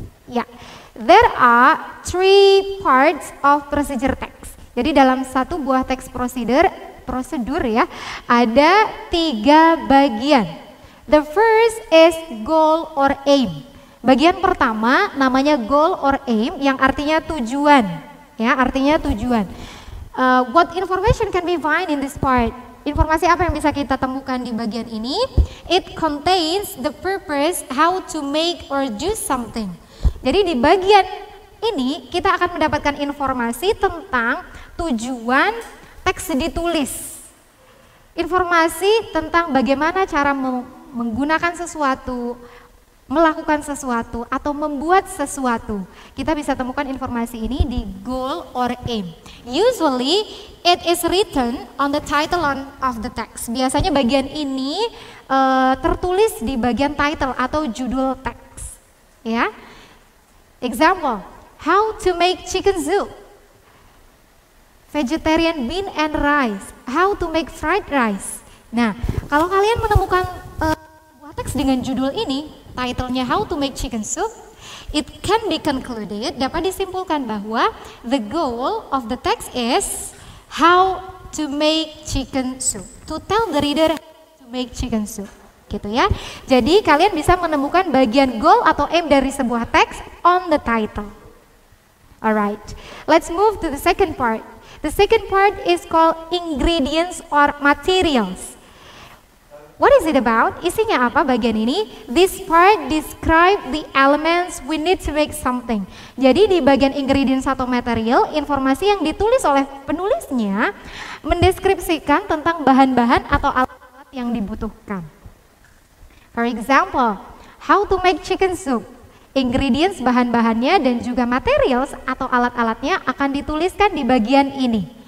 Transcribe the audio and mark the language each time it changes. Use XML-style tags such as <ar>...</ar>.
<en>Yeah. There are three parts of procedure text.</en> <id>Jadi dalam satu buah teks prosedur ya, ada tiga bagian.</id> <en>The first is goal or aim.</en> <id>Bagian pertama namanya</id> <en>goal or aim,</en> <id>yang artinya tujuan. Ya, artinya tujuan.</id> <en>What information can we find in this part?</en> <id>Informasi apa yang bisa kita temukan di bagian ini?</id> <en>It contains the purpose how to make or do something.</en> <id>Jadi di bagian ini kita akan mendapatkan informasi tentang tujuan teks ditulis. Informasi tentang bagaimana cara menggunakan sesuatu, melakukan sesuatu, atau membuat sesuatu. Kita bisa temukan informasi ini di</id> <en>goal or aim. Usually it is written on the title of the text.</en> <id>Biasanya bagian ini tertulis di bagian title atau judul teks. Ya.</id> <en>Example, how to make chicken soup, vegetarian bean and rice, how to make fried rice.</en> <id>Nah, kalau kalian menemukan sebuah teks dengan judul ini,</id> <en>title-nya how to make chicken soup, it can be concluded,</en> <id>dapat disimpulkan bahwa</id> <en>the goal of the text is how to make chicken soup, to tell the reader how to make chicken soup.</en> <id>Gitu ya. Jadi kalian bisa menemukan bagian goal atau aim dari sebuah teks</id> <en>on the title. Alright, let's move to the second part. The second part is called ingredients or materials. What is it about?</en> <id>Isinya apa bagian ini?</id> <en>This part describes the elements we need to make something.</en> <id>Jadi di bagian ingredients atau material, informasi yang ditulis oleh penulisnya mendeskripsikan tentang bahan-bahan atau alat-alat yang dibutuhkan.</id> <en>For example, how to make chicken soup.</en> <id>Ingredients, bahan-bahannya, dan juga materials atau alat-alatnya akan dituliskan di bagian ini.</id>